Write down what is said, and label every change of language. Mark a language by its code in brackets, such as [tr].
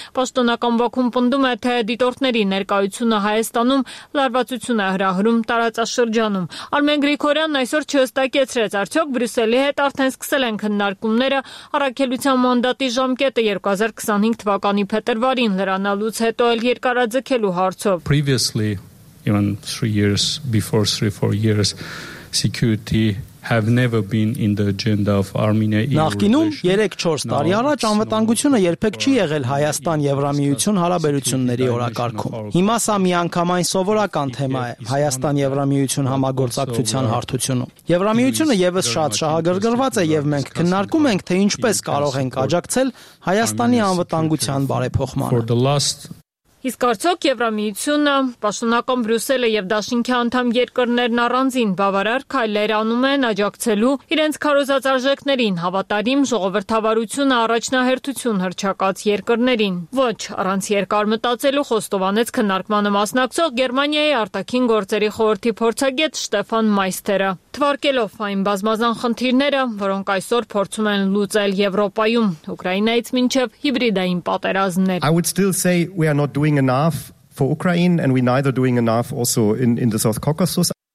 [hy] Պաշտոնական Բաքուն պնդում է, թե դիտորդների ներկայությունը Հայաստանում լարվածություն է հրահրում տարածաշրջանում։ Արմեն Գրիգորյանն այսօր չհստակեցրեց, արդյոք Բրյուսելի հետ արդեն սկսել են քննարկումները առաքելության մանդատի ժամկետը 2025 թվականի փետրվարին լրանալուց հետո էլ երկարաձգելու հարցով։ [en] Even 3 years before, 3-4 years, security have never been in the agenda of Armenia. [hy] Նախկինում 3-4 տարի առաջ անվտանգությունը երբեք չի եղել Հայաստան-Եվրամիություն հարաբերությունների օրակարգում։ Հիմա սա միանգամայն սովորական թեմա է Հայաստան-Եվրամիություն համագործակցության հարթությունում։ Եվրամիությունը ևս շատ շահագրգռված է և մենք քննարկում ենք, թե ինչպես կարող ենք աջակցել Հայաստանի անվտանգության բարեփոխմանը։ Իսկ արդյոք Եվրամիությունը, պաշտոնական Բրյուսելը և Դաշինքի անդամ երկրներն առանձին բավարար քայլեր անում են աջակցելու իրենց քարոզած արժեքներին, հավատարիմ ժողովրդավարությունը առաջնահերթություն հռչակած երկրներին։ Ոչ, առանց երկար մտածելու խոստովանեց քննարկմանը մասնակցող Գերմանիայի արտաքին գործերի խորհրդի փորձագետ Շտեֆան Մայստերը, թվարկելով այն բազմազան խնդիրները, որոնք այսօր փորձում են լուծել Եվրոպայում, Ուկրաինայից մինչև հիբրիդային պատերազմներ. [en] Doing enough for Ukraine, and we're neither doing enough also in the South Caucasus.